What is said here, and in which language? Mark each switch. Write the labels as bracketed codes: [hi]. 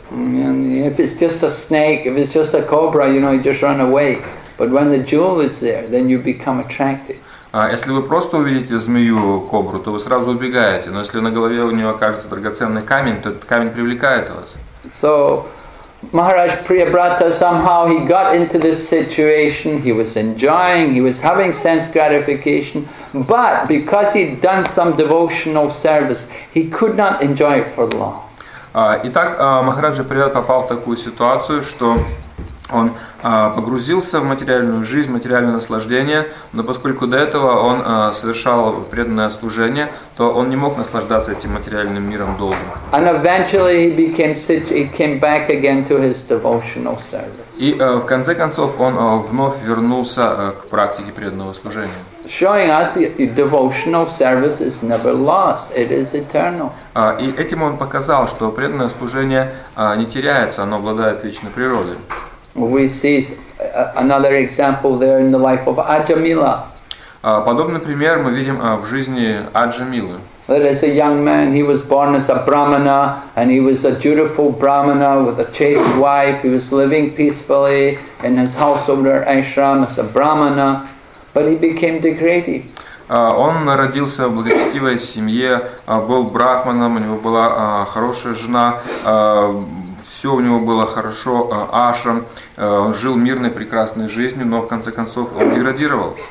[en] If it's just a snake, if it's just a cobra, you know, you just run away. But when the jewel is there, then you become attracted. [ru] Если вы просто увидите змею, кобру, то вы сразу убегаете. Но если на голове у нее окажется драгоценный камень, то этот камень привлекает вас. [en] So Maharaj Priyabrata somehow he got into this situation, he was enjoying, he was having sense gratification, but because he'd done some devotional service, he could not enjoy it for long. [ru] Итак, Махараджа Прият попал в такую ситуацию, что он погрузился в материальную жизнь, материальное наслаждение, но поскольку до этого он совершал преданное служение, то он не мог наслаждаться этим материальным миром долго. [en] And eventually he came back again to his devotional service. [ru] И в конце концов он вновь вернулся к практике преданного служения. [en] Showing us that devotional service is never lost, it is eternal. [ru] И этим он показал, что преданное служение не теряется, оно обладает вечной природой. [en] We see another example there in the life of Ajamila. [ru] Подобный пример мы видим в жизни Аджамилы. [en] There is a young man, he was born as a brahmana, and he was a dutiful brahmana with a chaste wife. He was living peacefully in his household or ashram as a brahmana, but he became degraded. [ru] Он родился в благочестивой семье, был брахманом, у него была хорошая жена, все у него было хорошо, ашрам, жил мирной, прекрасной жизнью, но в конце концов он деградировал.